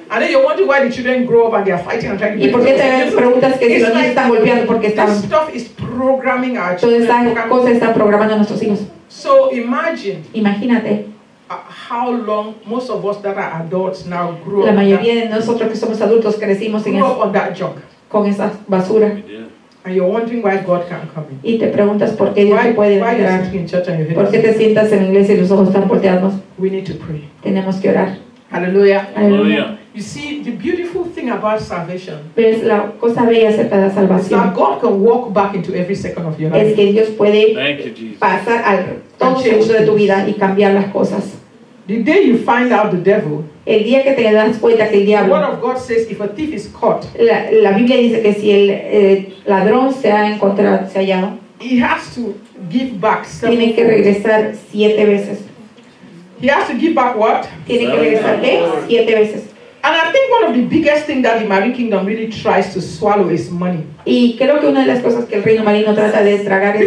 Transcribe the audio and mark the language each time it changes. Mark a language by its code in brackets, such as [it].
[en] And then you're wondering why the children grow up and they are fighting and trying to. [es] ¿Y por qué te preguntas que si los niños están golpeando porque están? [en] This stuff is programming our children. [es] Toda esta cosa está programando a nuestros hijos. [en] So imagine. [es] Imagínate. [en] How long most of us that are adults now grow up. [es] La mayoría de nosotros que somos adultos crecimos en eso. [en] That junk. [es] Con esa basura. [en] And you're wondering why God can't come in. [es] Y te preguntas por qué Dios no puede entrar. ¿Por qué te sientas en la iglesia y los ojos están volteados? [en] We need to pray. [es] Tenemos que orar. Aleluya. Aleluya. [en] You see, the beautiful thing about salvation. [es] Pues la cosa bella acerca de la salvación. [en] That God can walk back into every second of your life. [es] Es que Dios puede [en] you, [es] pasar al todo segundo de tu vida y cambiar las cosas. [en] The day you find out the devil. [es] El día que te das cuenta que el diablo. [en] Word of God says if a thief is caught. [es] La Biblia dice que si el ladrón se ha encontrado, se ha hallado. [en] He has to give back. [es] Tiene que regresar 7 veces. [en] He has to give back what? [es] Tiene que regresar qué? 7 veces. [en] And I think one of the biggest things that the marine kingdom really tries to swallow is money. [es] Y creo que una de las cosas que el reino marino trata de tragar es